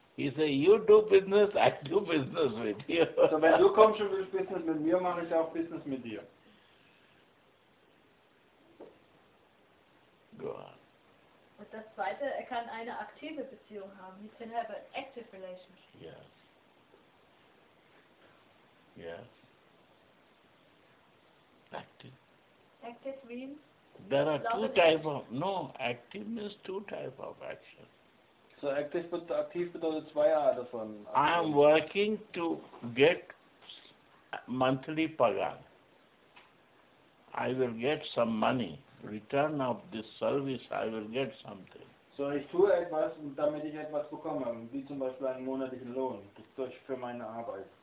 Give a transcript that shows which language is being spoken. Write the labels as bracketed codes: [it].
[en] He say, you do business, I do business with you. [de] So wenn du kommst und willst Business mit mir, mache ich auch Business mit dir. [en] Go on. [de] Und das Zweite, er kann eine aktive Beziehung haben. [en] He can have an active relationship. Yes. Yes. Active. Active means? There are two types of, no, active means two types of action. [de] So active bedeutet zwei Arten von. [en] I am working to get monthly pagar. I will get some money. Return of this service, I will get something. [de] So ich tue etwas, damit ich etwas bekomme, wie zum Beispiel einen monatlichen Lohn, für meine Arbeit.